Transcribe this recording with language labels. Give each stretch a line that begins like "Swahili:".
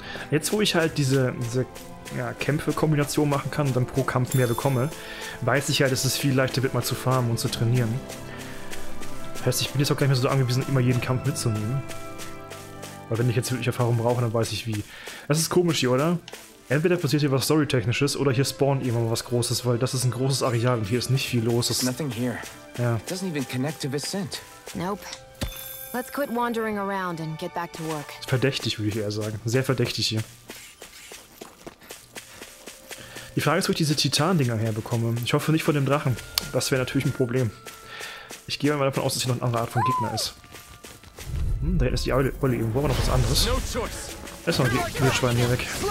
German: Jetzt, wo ich halt diese Kämpfe-Kombination machen kann und dann pro Kampf mehr bekomme, weiß ich halt, dass es viel leichter wird, mal zu farmen und zu trainieren. Heißt, ich bin jetzt auch gar nicht mehr so angewiesen, immer jeden Kampf mitzunehmen. Weil wenn ich jetzt wirklich Erfahrung brauche, dann weiß ich wie. Das ist komisch hier, oder? Entweder passiert hier was Storytechnisches oder hier spawnt irgendwann mal was Großes, weil das ist ein großes Areal und hier ist nicht viel los.
English: Nothing here.
German: Ja.
English: Doesn't even connect to Vicent. Nope. Let's quit wandering around and get back to work.
German: Verdächtig, würde ich eher sagen. Sehr verdächtig hier. Die Frage ist, wo ich diese Titan-Dinger herbekomme. Ich hoffe nicht von dem Drachen. Das wäre natürlich ein Problem. Ich gehe mal davon aus, dass hier noch eine andere Art von Gegner ist. Hm, da ist die Eule. Wolle irgendwo aber noch was anderes. Lass mal die Wildschweine hier weg.